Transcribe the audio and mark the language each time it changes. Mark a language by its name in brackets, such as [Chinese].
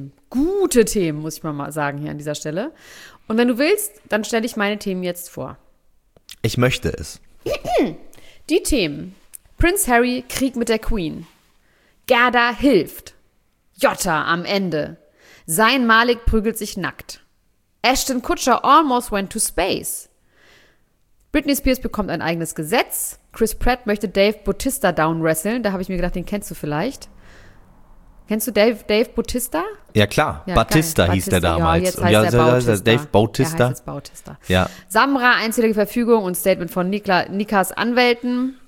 [German] Gute Themen, muss ich mal sagen hier an dieser Stelle. Und wenn du willst, dann stelle ich meine Themen jetzt vor. Ich möchte es. Die Themen. Prinz Harry, Krieg mit der Queen. Gerda hilft. Jotta am Ende. Sein Malik prügelt sich nackt. [English] Ashton Kutcher almost went to space. [German] Britney Spears bekommt ein eigenes Gesetz. Chris Pratt möchte Dave Bautista downwrestlen. Da habe ich mir gedacht, den kennst du vielleicht. Kennst du Dave Bautista? Ja, klar. Ja, Bautista hieß der damals. Ja, jetzt heißt er Bautista. Dave Bautista. Er heißt jetzt Bautista. Ja. Samra, einzige Verfügung und Statement von Nikas Anwälten.